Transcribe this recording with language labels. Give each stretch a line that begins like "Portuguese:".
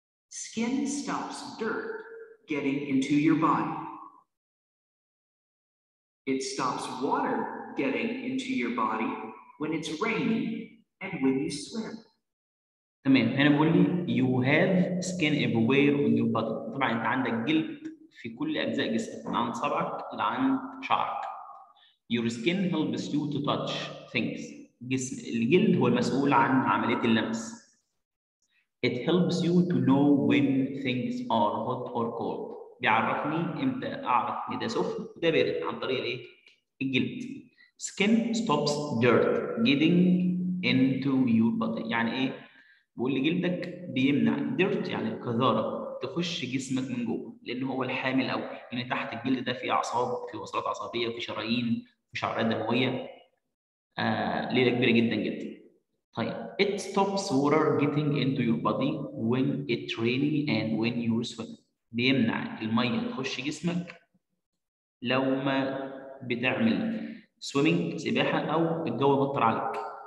English: Skin stops dirt getting into your body. It stops water getting into your body when it's raining and when you swim.
Arabic: تمام، هنا بيقول لي
English: you have skin everywhere on your body.
Arabic: طبعا انت عندك جلد في كل اجزاء جسمك، من عند صبعك لعند شعرك.
English: Your skin helps you to touch things.
Arabic: جسم الجلد هو المسؤول عن عملية اللمس.
English: It helps you to know when things are hot or cold.
Arabic: بيعرفني امتى اعرف ان ده سخن وده بارد، عن طريق الايه؟ الجلد.
English: Skin stops dirt getting into your body.
Arabic: يعني ايه؟ بيقول لي جلدك بيمنع dirt يعني القذارة تخش جسمك من جوه، لان هو الحامل الاول. يعني تحت الجلد ده في اعصاب، في وصلات عصبية، في شرايين، شعرات دموية، ليلة كبيرة جدا جدا.
English: طيب it stops water getting into your body when it's raining and when you're swimming.
Arabic: بيمنع المية تخش جسمك لو ما بتعمل swimming سباحة أو الجو مطر عليك.